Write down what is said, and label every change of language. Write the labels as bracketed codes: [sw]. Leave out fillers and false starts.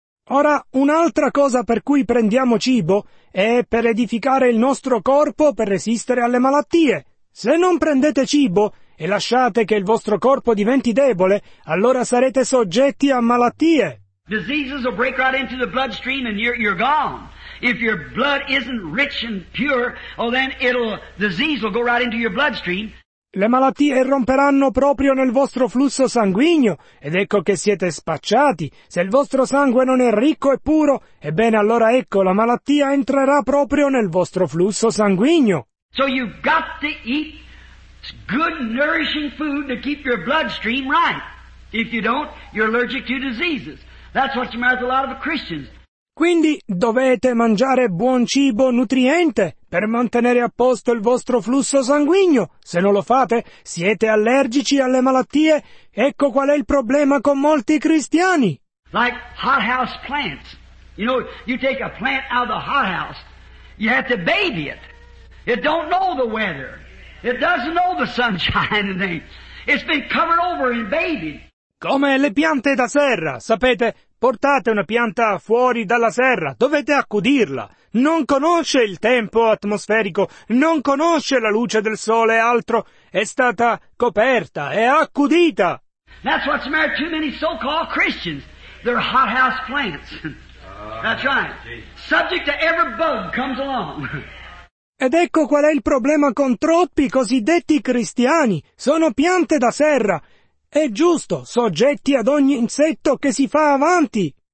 [it] Ora, un'altra cosa per cui prendiamo cibo è per edificare il nostro corpo per resistere alle malattie. Se non prendete cibo e lasciate che il vostro corpo diventi debole, allora sarete soggetti a malattie. [en] Diseases will break right into the bloodstream and you're gone. If your blood isn't rich and pure, oh then it'll disease will go right into your bloodstream. [it] Le malattie romperanno proprio nel vostro flusso sanguigno, ed ecco che siete spacciati. Se il vostro sangue non è ricco e puro, ebbene allora ecco, la malattia entrerà proprio nel vostro flusso sanguigno. [en] So you've got to eat good nourishing food to keep your bloodstream right. If you don't, you're allergic to diseases. That's what's the matter with a lot of Christians. [it] Quindi dovete mangiare buon cibo nutriente per mantenere a posto il vostro flusso sanguigno. Se non lo fate, siete allergici alle malattie. Ecco qual è il problema con molti cristiani. [en] Like hothouse plants. You know, you take a plant out of the hothouse, you have to baby it. It don't know the weather. It doesn't know the sunshine and rain. It's been covered over and babied. [it] Come le piante da serra, sapete? Portate una pianta fuori dalla serra, dovete accudirla. Non conosce il tempo atmosferico, non conosce la luce del sole e altro. È stata coperta, è accudita. [en] That's what's made too many so-called Christians. They're hothouse plants. That's right. Subject to every bug comes along. [it] Ed ecco qual è il problema con troppi cosiddetti cristiani. Sono piante da serra. È giusto, soggetti ad ogni insetto che si fa avanti.